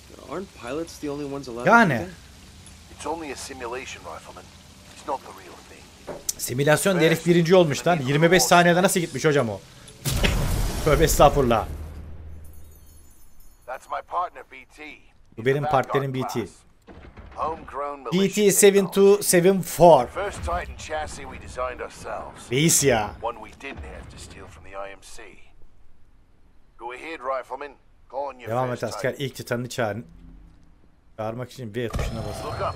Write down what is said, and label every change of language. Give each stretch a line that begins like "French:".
English: Aren't pilots the only ones allowed? Yani. It's only a simulation, rifleman. It's not the real thing.
Turkish: Simülasyon derif birinci olmuş lan. 25 saniyede nasıl gitmiş hocam o? Tövbe estağfurullah.
English: That's my partner BT.
Turkish: Bu benim partnerim BT. BT-7274.
English: First Titan chassis we designed ourselves.
Turkish: Reis ya.
English: One we didn't have to steal from the IMC. Go ahead, rifleman.
Turkish: Devam et asker, ilk titanını çağırın. Çağırmak için V tuşuna basın.